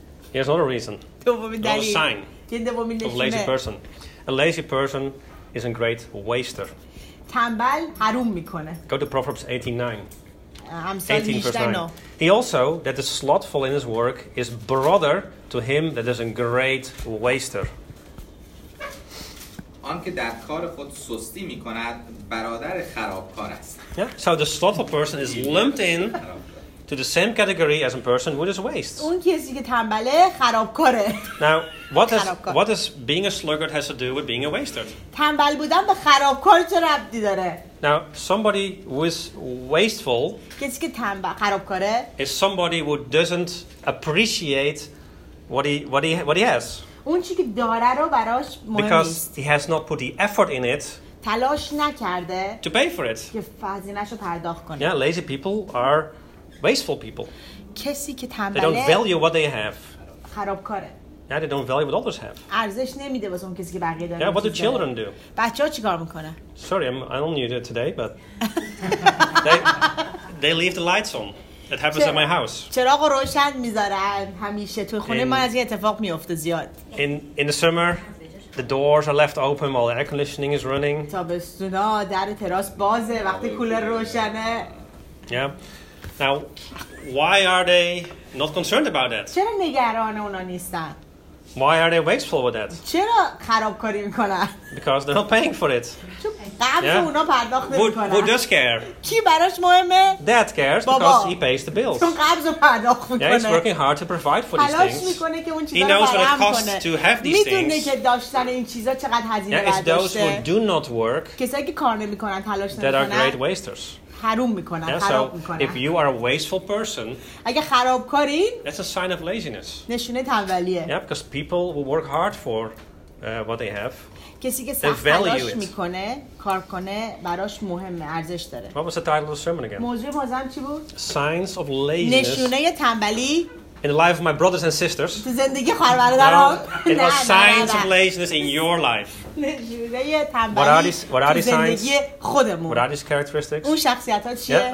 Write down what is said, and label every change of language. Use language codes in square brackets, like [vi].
[en] Here's another reason. Another sign of a lazy person. A lazy person is a great waster. [fa] تنبل حروم میکنه. [en] Go to Proverbs 18:9. He also that is slothful in his work is brother to him that is a great waster. [fa] آنکه در کار خود سستی میکند برادر خرابکار است. [en] Yeah, so the slothful person is lumped in to the same category as a person who is wastes. [fa] اون کسی که تنبله خرابکاره. [en] Now, what does being a sluggard has to do with being a waster? [fa] تنبل بودن به خرابکار چه ربطی داره؟ [en] Now, somebody who is wasteful, [fa] کسی که تنبل خرابکاره, [en] is somebody who doesn't appreciate what he has. [fa] اون چیزی که داره رو براش مهم نیست. [en] Because he has not put the effort in it. [fa] تلاش نکرده. [en] To pay for it. [fa] که فزینش رو پرداخت کنه. [en] Yeah, lazy people are wasteful people. [fa] کسی که تنبله. [en] They don't value what they have. [fa] خرابکاره. [en] Yeah, they don't value what others have. [fa] ارزش نمیده واسه اون کسی که بقیه داره. [en] Yeah, what do children do? [fa] بچه‌ها چیکار میکنه؟ [en] Sorry, I don't need it today, but they leave the lights on. It happens at my house. [fa] چراغ روشن میذارن همیشه تو خونه ما از این اتفاق میفته زیاد. [en] In the summer, the doors are left open while the air conditioning is running. [fa] تابستونا در تراس بازه وقتی کولر روشنه. [en] Yeah. Now, why are they not concerned about that? [fa] چرا نگران اونا نیستن؟ [en] Why are they wasteful with that? [fa] چرا خرابکاری میکنن? [en] Because they're not paying for it. [fa] چون قبض اونا پرداخت نمیکنن. [en] Who does care? [fa] کی براش مهمه? [en] Dad cares because he pays the bills. [fa] چون قبض پرداخت میکنه. [en] Yeah, he's working hard to provide for these things. [fa] حالا میکنه که اون چیزا رو فراهم کنه. [en] He knows what it costs to have these things. [fa] میدونه که داشتن این چیزا چقدر هزینه داره. [en] Yeah, it's those who do not work. [fa] کسایی که کار نمیکنن تلاش نمیکنن. [en] That are great wasters. [fa] حروم میکنن، [en] yeah, [fa] خراب [en] so [fa] میکنن. [en] If you are a wasteful person, [fa] اگه خرابکارین, [en] that's a sign of laziness. [fa] نشونه تنبلیه. [en] Yeah, because people who work hard for what they have, [fa] کسی که سخت تلاش میکنه, کار کنه, براش مهمه, ارزش داره. [en] What was the title of the sermon again? [fa] موضوع بازم چی بود؟ [en] Signs of laziness. [fa] نشونه تنبلی. [en] In the life of my brothers and sisters. [fa] تو زندگی خواهرانم. [en] It was signs of laziness in your life. What are these signs? [fa] زندگی خودمون. [en] What are these characteristics? [fa] اون شخصیت‌ها چیه؟